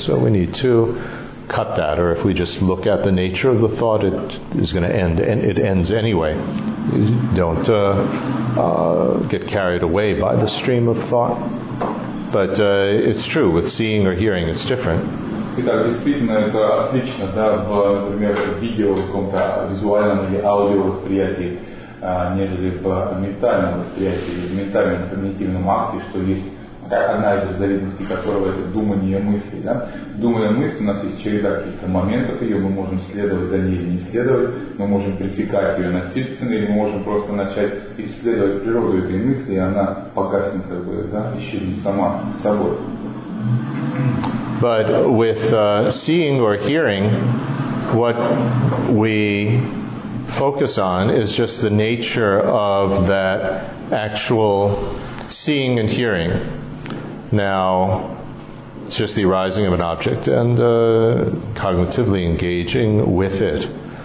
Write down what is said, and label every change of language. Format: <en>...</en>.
<en>So we need to cut that, or if we just look at the nature of the thought, it is going to end, and it ends anyway. You don't get carried away by the stream of thought. But it's true, with seeing or hearing, it's different.</en> <ru>Итак, действительно, это отлично, да, например, в видео, в каком-то визуальном или аудио восприятии, нежели в ментальном восприятии, в ментальном когнитивном акте, что есть одна из разновидностей которого это думание мысли. Да? Думая мысль, у нас есть череда каких-то моментов ее, мы можем следовать за ней или не следовать, мы можем пресекать ее насильственно, или мы можем просто начать исследовать природу этой мысли, и она погаснет, как бы, да, исчезнет сама с собой.</ru> <en>But with seeing or hearing, what we focus on is just the nature of that actual seeing and hearing. Now, it's just the arising of an object and cognitively engaging with it.</en>